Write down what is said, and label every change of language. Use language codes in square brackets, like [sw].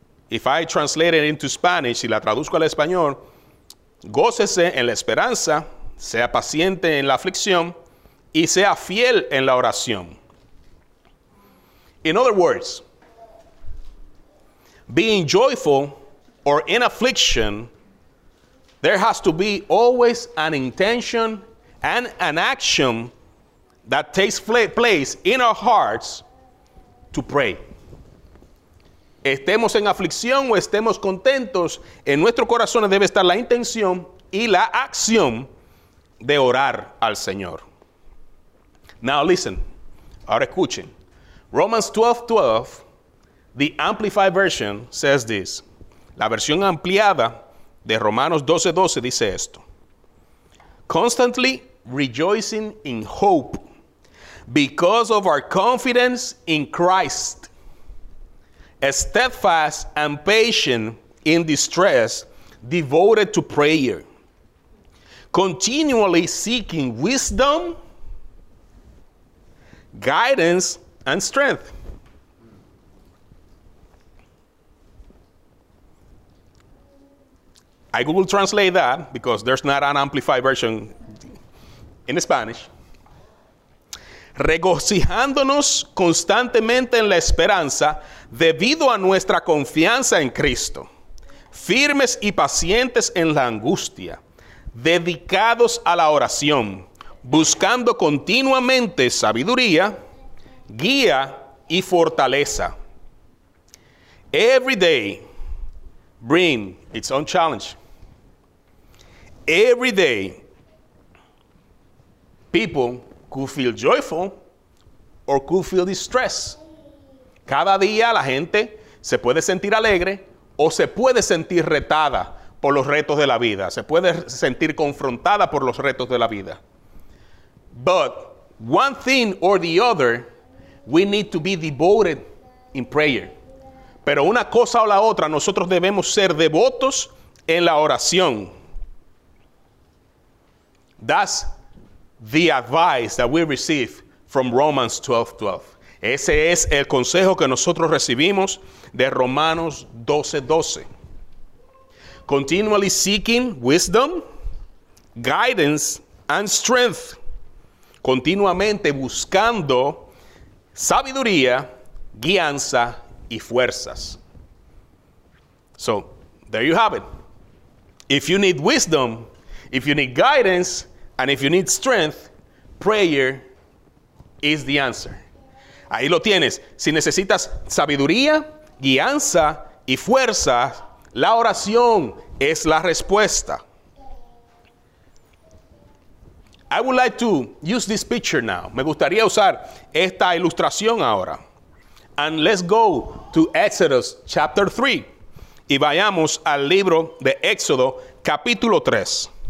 [en] If I translate it into Spanish, [es] si la traduzco al español, gócese en la esperanza, sea paciente en la aflicción, y sea fiel en la oración. [en] In other words, being joyful or in affliction, there has to be always an intention and an action that takes place in our hearts to pray. [es] Estemos en aflicción o estemos contentos, en nuestro corazón debe estar la intención y la acción de orar al Señor. [en] Now listen, [es] ahora escuchen. [en] Romans 12:12, the Amplified Version says this. [es] La versión ampliada de Romanos 12:12 dice esto. [en] Constantly rejoicing in hope because of our confidence in Christ. As steadfast and patient in distress, devoted to prayer, continually seeking wisdom, guidance, and strength. I Google translate that because there's not an amplified version in Spanish. [es] Regocijándonos constantemente en la esperanza debido a nuestra confianza en Cristo, firmes y pacientes en la angustia, dedicados a la oración, buscando continuamente sabiduría, guía y fortaleza. [en] Every day brings its own challenge. Every day, people could feel joyful or could feel distressed. [es] Cada día la gente se puede sentir alegre o se puede sentir retada por los retos de la vida. Se puede sentir confrontada por los retos de la vida. [en] But one thing or the other, we need to be devoted in prayer. [es] Pero una cosa o la otra, nosotros debemos ser devotos en la oración. [en] That's the advice that we receive from Romans 12:12. [es] Ese es el consejo que nosotros recibimos de Romanos 12:12. [en] Continually seeking wisdom, guidance, and strength. [es] Continuamente buscando sabiduría, guianza, y fuerzas. [en] So, there you have it. If you need wisdom, if you need guidance, and if you need strength, prayer is the answer. [es] Ahí lo tienes. Si necesitas sabiduría, guianza y fuerza, la oración es la respuesta. [en] I would like to use this picture now. [es] Me gustaría usar esta ilustración ahora. [en] And let's go to Exodus chapter 3. [es] Y vayamos al libro de Éxodo capítulo 3.